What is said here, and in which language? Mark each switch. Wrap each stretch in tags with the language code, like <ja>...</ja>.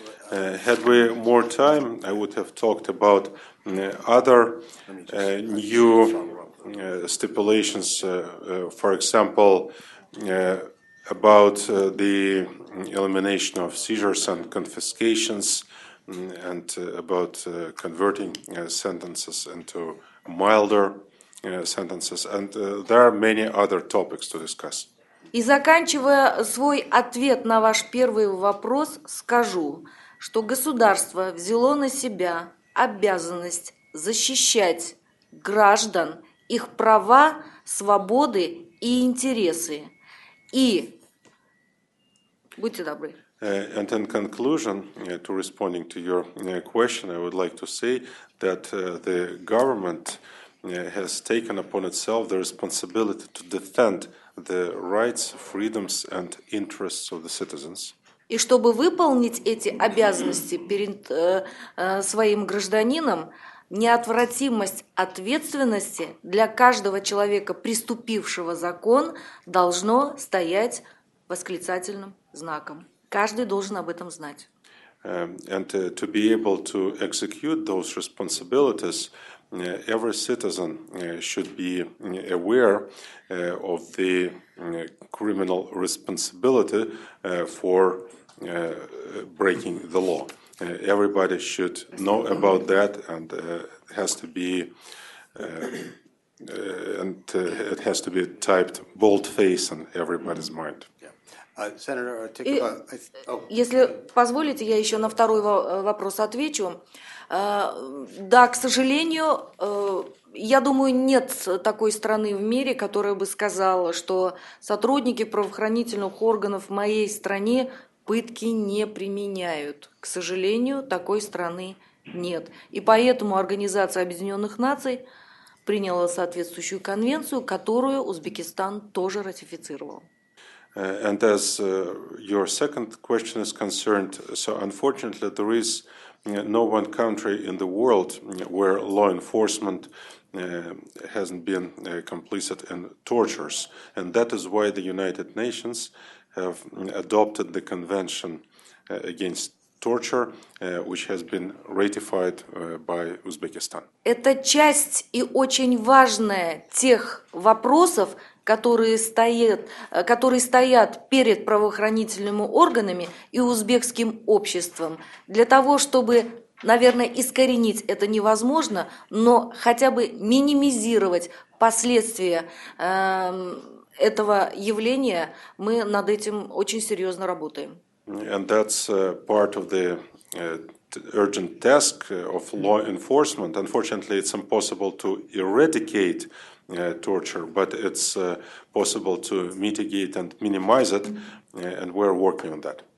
<en>Had we more time, I would have talked about other new stipulations, for example, about the elimination of seizures and confiscations, and about converting sentences into milder sentences. And there are many other topics to discuss.</en> <ru>И заканчивая свой ответ на ваш первый вопрос, скажу, что государство взяло на себя обязанность защищать граждан, их права, свободы и интересы. И будьте добры.</ru> <en>And in conclusion, to responding to your question, I would like to say that the government has taken upon itself the responsibility to defend the rights, freedoms and interests of the citizens.</en> <ru>И чтобы выполнить эти обязанности перед своим гражданином, неотвратимость ответственности для каждого человека, преступившего закон, должно стоять восклицательным знаком. Каждый должен об этом знать.</ru> <en>And to be able to execute those responsibilities, every citizen should be aware of the criminal responsibility for breaking the law. Everybody should know about that, and has to be, and it has to be typed boldface in everybody's mind. Senator, take</en> <ru>Если позволите, я еще на второй вопрос отвечу. Да, к сожалению, я думаю, нет такой страны в мире, которая бы сказала, что сотрудники правоохранительных органов в моей стране пытки не применяют. К сожалению, такой страны нет. И поэтому Организация Объединенных Наций приняла соответствующую конвенцию, которую Узбекистан тоже ратифицировал.</ru> <en>And as your second question is concerned, so unfortunately there is no one country in the world where law enforcement hasn't been complicit in tortures. And that is why the United Nations have adopted the Convention against Torture, which has been ratified by Uzbekistan.</en> <ru>Это часть и очень важная тех вопросов, которые стоят перед правоохранительными органами и узбекским обществом. Для того, чтобы, наверное, искоренить это невозможно, но хотя бы минимизировать последствия этого явления, мы над этим очень серьезно работаем.</ru> <en>And that's part of the urgent task of law enforcement. Unfortunately, it's impossible to eradicate torture, but it's possible to mitigate and minimize it, and we're working on that.</en>